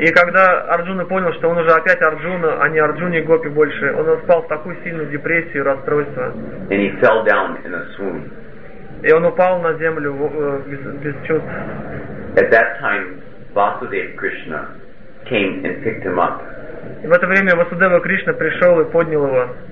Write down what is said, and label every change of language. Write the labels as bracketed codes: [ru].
[ru] И когда Арджуна понял, что он уже опять Арджуна, а не Арджуна Гопи больше, он впал в такую сильную депрессию, расстройство. [en] And he fell down in a swoon. [ru] И он упал на землю без чувств. [en] At that time, Vasudev Krishna came and picked him up. [ru] И в это время Васудева Кришна пришел и поднял его.